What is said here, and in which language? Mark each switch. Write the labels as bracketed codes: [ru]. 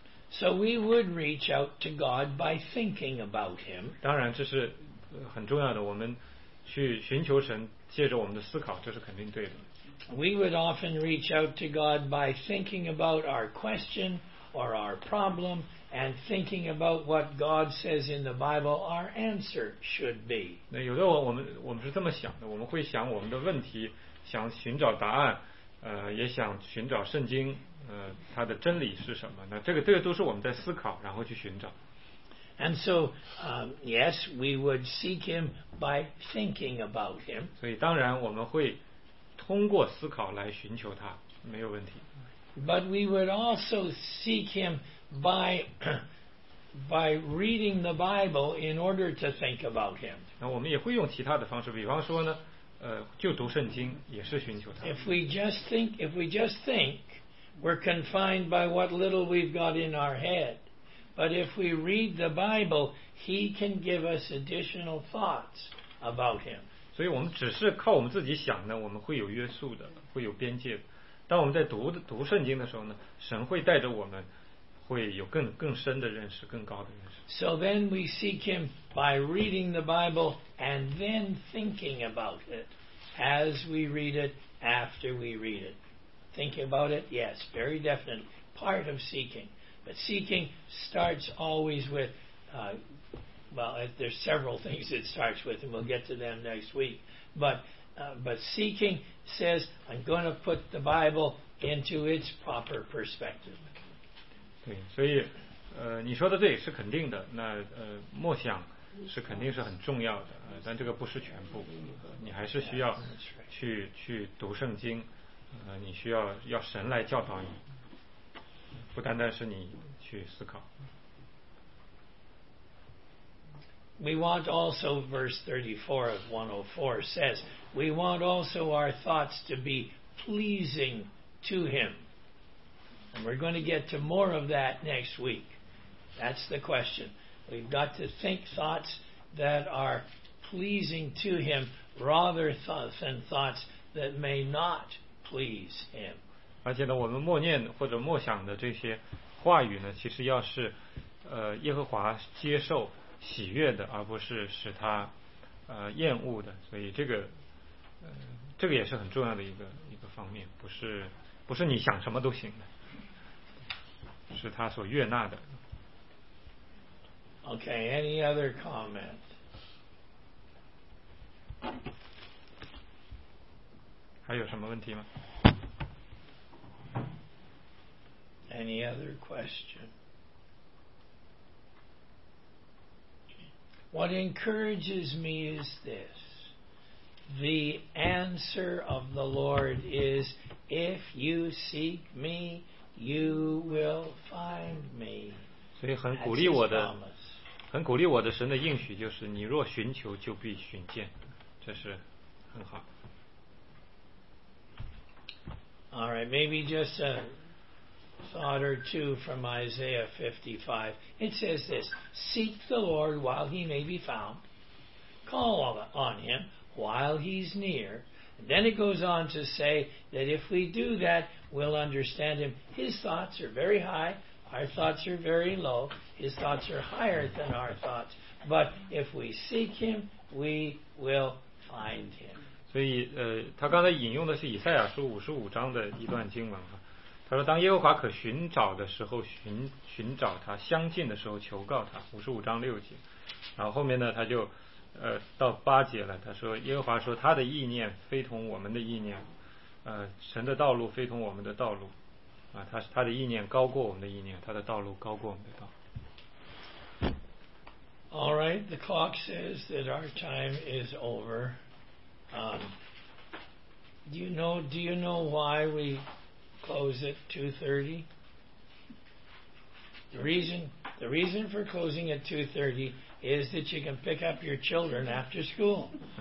[en] So we would reach out to God by thinking about him. [zh] 当然这是很重要的，我们去寻求神借着我们的思考，这是肯定对的。 [en] We would often reach out to God by thinking about our question or our problem and thinking about what God says in the Bible our answer should be. [zh] 那有的我们是这么想的，我们会想我们的问题，想寻找答案，也想寻找圣经。它的真理是什么呢？这个都是我们在思考，然后去寻找。 [en] And so, yes, we would seek him by thinking about him. [zh] 所以当然我们会通过思考来寻求他，没有问题。 [en] But we would also seek him by reading the Bible in order to think about him. [zh] 那我们也会用其他的方式，比方说呢，就读圣经也是寻求他。 [en] If we just think. We're confined by what little we've got in our head. But if we read the Bible, he can give us additional thoughts about him. [zh] 所以我们只是靠我们自己想呢，我们会有约束的，会有边界的。当我们在读圣经的时候呢，神会带着我们会有 更深的认识，更高的认识。 [en] So then we seek him by reading the Bible and then thinking about it as we read it, after we read it. Thinking about it, yes, very definitely. Part of seeking. But seeking starts always with, there's several things it starts with, and we'll get to them next week. But seeking says, I'm going to put the Bible into its proper perspective. [zh] 对，所以，你说的对，是肯定的。那默想是肯定是很重要的，但这个不是全部。你还是需要去读圣经，你需要神来教导你，不单单是你去思考。 [en] We want also verse 34 of 104 says, we want also our thoughts to be pleasing to him. And we're going to get to more of that next week. That's the question. We've got to think thoughts that are pleasing to him rather than thoughts that may not please him. [zh] 而且呢，我们默念或者默想的这些话语呢，其实要是耶和华接受喜悦的，而不是使他厌恶的，所以这个也是很重要的一个方面，不是你想什么都行的，是他所悦纳的。 [en] Okay, any other comment? [zh] 还有什么问题吗 [en] ？Any other question? What encourages me is this. The answer of the Lord is, if you seek me, you will find me. [zh] 所以很鼓励我的，很鼓励我的神的应许就是，你若寻求就必寻见，这是很好。 [en] All right, maybe just a thought or two from Isaiah 55. It says this, seek the Lord while he may be found. Call on him while he's near. And then it goes on to say that if we do that, we'll understand him. His thoughts are very high. Our thoughts are very low. His thoughts are higher than our thoughts. But if we seek him, we will find him. [zh] 所以他刚才引用的是以赛亚书55章的一段经文啊。他说当耶和华可寻找的时候 寻找他，相近的时候求告他，55章6节。然后后面呢，他就到八节了，他说耶和华说，他的意念非同我们的意念，神的道路非同我们的道路啊，他的意念高过我们的意念，他的道路高过我们的道路。 [en] All right, the clock says that our time is over. Do you know why we close at 2:30. The reason for closing at 2:30 is that you can pick up your children after school.